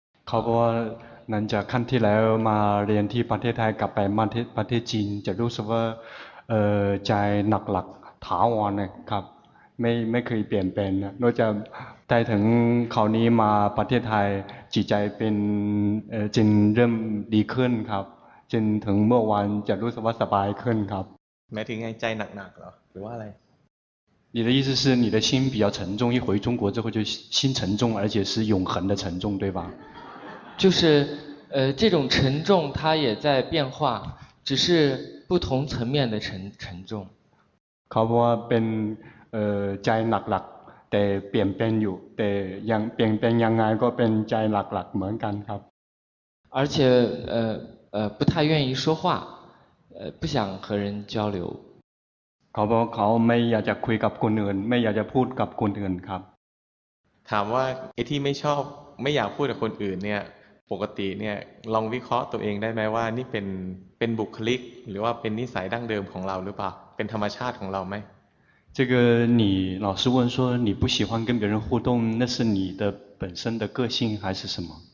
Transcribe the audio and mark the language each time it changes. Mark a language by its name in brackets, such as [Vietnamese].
[Thai] ขอบคุณหลังจากครั้งที่แล้วมาเรียนที่ประเทศไทยกลับไปประเทศจีนจะรู้สึกว่าใจหนักหลักถาวรนะครับไม่เคยเปลี่ยนแปลงนะจะได้ถึงคราวนี้มาประเทศไทยจิตใจเป็นจริงเริ่มดีขึ้นครับจนถึงเมื่อวานจะรู้สึกว่าสบายขึ้นครับ หมายถึงไงใจหนักๆเหรอหรือว่าอะไร [Chinese] 你的意思是你的心比较沉重一回中国之后就心沉重而且是永恒的沉重对吧就是这种沉重它也在变化只是不同层面的沉重 [Thai] เขาบอกว่าเป็นใจหนักๆแต่เปลี่ยนแปลงอยู่แต่ยังเปลี่ยนแปลงยังไงก็เป็นใจหนักๆเหมือนกันครับ [Chinese] 而且不太愿意说话不想和人交流 [Thai] เขาบอกเขาไม่อยากจะคุยกับคนอื่นไม่อยากจะพูดกับคนอื่นครับ ถามว่าไอ้ที่ไม่ชอบไม่อยากพูดกับคนอื่นเนี่ยปกติเนี่ยลองวิเคราะห์ตัวเองได้ไหมว่านี่เป็นบุคลิกหรือว่าเป็นนิสัยดั้งเดิมของเราหรือเปล่าเป็นธรรมชาติของเราไหม [Chinese] 这个你老师问说你不喜欢跟别人互动，那是你的本身的个性还是什么？